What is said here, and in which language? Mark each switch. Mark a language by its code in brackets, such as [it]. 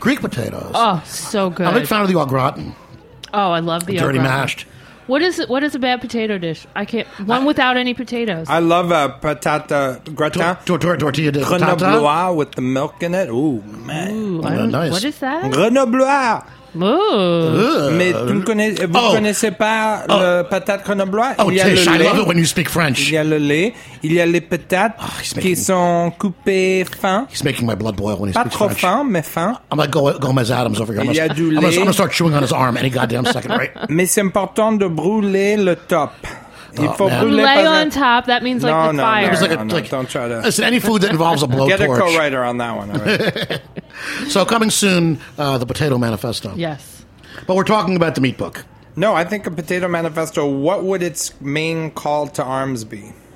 [en] Greek potatoes. Oh, so good. I'm a big fan of the au gratin. Oh, I love the au gratin. Dirty mashed. What is a bad potato dish? Without any potatoes. I love a patata gratin. [es] Tortilla de patata. [en] Grenoblois with the milk in it. Ooh, man. Nice. What is that? Grenoblois. Ooh. [fr] Mais tu connais, vous connaissez pas le patate grenoblois? [en] Oh, Tish, I love it when you speak French. [fr] Il y a le lait, il y a les patates qui sont coupées fin. [en] He's making my blood boil when he [fr] pas [en] speaks French. [fr] Pas trop fin, mais fin. [en] I'm like Gomez Adams over here. I'm going to start chewing on his arm any goddamn second, right? [fr] Mais c'est important de brûler le top. Il faut brûler pas [en] on top, that means like no, the fire. No, like no, a, no, like, don't try to. Listen, any food that involves a blowtorch. Get a co-writer on that one. So coming soon, the Potato Manifesto. Yes. But we're talking about the meat book. No, I think a Potato Manifesto, what would its main call to arms be?